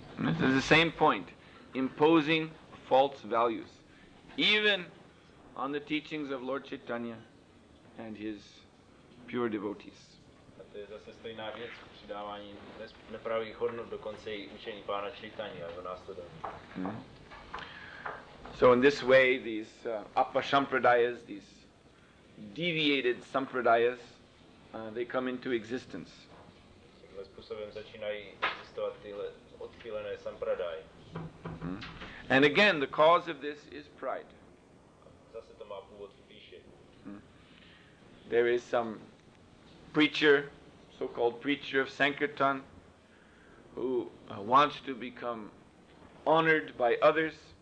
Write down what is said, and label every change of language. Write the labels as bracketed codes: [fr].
[en] This is the same point, imposing false values, even on the teachings of Lord Chaitanya and his pure devotees. [cs] A to je zase stejná věc, přidávání nepravých hodnot dokonce i učení pána Chaitanyi a jeho následování. [en] So in this way, these apasampradayas, these deviated sampradayas, they come into existence. [cs] Tímhle způsobem začínají existovat tyhle odchylené sampradaje. [en] And again, the cause of this is pride. [cs] Zase to má původ v píše. [en] There is some preacher, so-called preacher of Sankirtan, who wants to become honored by others.